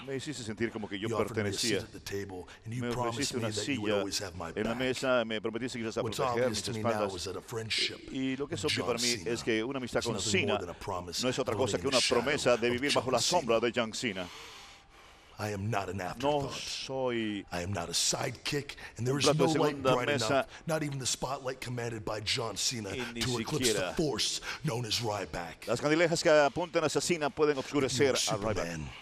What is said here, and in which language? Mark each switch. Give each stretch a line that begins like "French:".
Spanish: Me hiciste sentir como que yo pertenecía. Me ofreciste una silla en la mesa, me prometiste que ibas a proteger mis espaldas. Y lo que es obvio para mí es que una amistad con Cena no es otra cosa que una promesa de vivir bajo la sombra de John Cena.
English: I am not an afterthought.
Spanish: No soy.
English: I am not a sidekick, and there is no light bright enough, not even the spotlight commanded by John Cena to eclipse the force known as Ryback.
Spanish: Las candilejas que apuntan hacia Cena pueden obscurecer a Ryback.